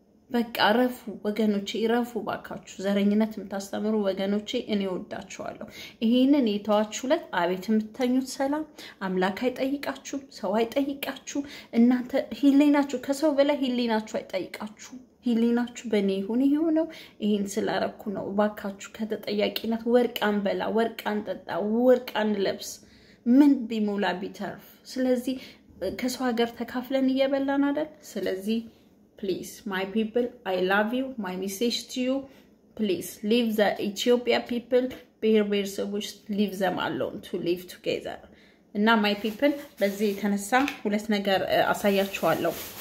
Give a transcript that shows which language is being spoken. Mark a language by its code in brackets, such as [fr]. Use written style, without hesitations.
[am] በቃ ረፉ ወገኖቼ ይረፉ ባካችሁ ዘረኝነት የምታስተምሩ ወገኖቼ እኔ ወዳችኋለሁ ይሄንን የተዋችሁ ለት አቤት የምትተኙት ሰላም አምላክ አይጠይቃችሁ ሰው አይጠይቃችሁ እናንተ ሂሊናችሁ ከሰው በላይ ሂሊናችሁ አይጠይቃችሁ ሂሊናችሁ በእኔ ይሁን ይሁነው ይሄን ስላረኩ ነው ባካችሁ ከተጠያቂነት ወርቃን በላ ወርቃን ጠጣ ወርቃን ለብስ ምን ቢሞላ ቢተርፍ ስለዚህ ከሰው ሀገር ተካፍለን እየበላን አይደል ስለዚህ [en] Please, my people, I love you. My message to you, please, leave the Ethiopia people, bersboche, leave them alone to live together. Now, my people, [am] በዚህ ተነሳ ሁለት ነገር አሳያችኋለሁ.